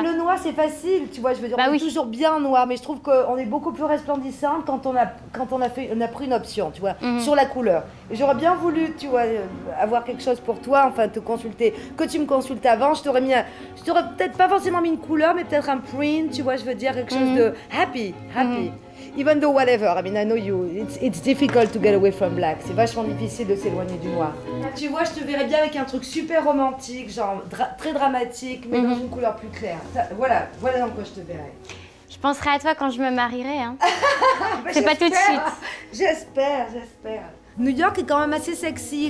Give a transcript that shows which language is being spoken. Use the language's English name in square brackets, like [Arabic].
[French] Le noir, c'est facile, tu vois, je veux dire, bah, on est toujours bien noir, mais je trouve qu'on est beaucoup plus resplendissante quand on a pris une option, tu vois, sur la couleur. Et j'aurais bien voulu, tu vois, avoir quelque chose pour toi, enfin, te consulter, que tu me consultes avant, je t'aurais peut-être pas forcément mis une couleur, mais peut-être un print, tu vois, je veux dire, quelque chose de happy. [English] Even though whatever, I mean, I know you, it's difficult to get away from black. [French] C'est vachement difficile de s'éloigner du noir. Tu vois, je te verrais bien avec un truc super romantique, genre très dramatique, mais dans une couleur plus claire. Ça, voilà dans quoi je te verrais. Je penserai à toi quand je me marierai, hein. Bah, c'est pas tout de suite. J'espère. New York est quand même assez sexy.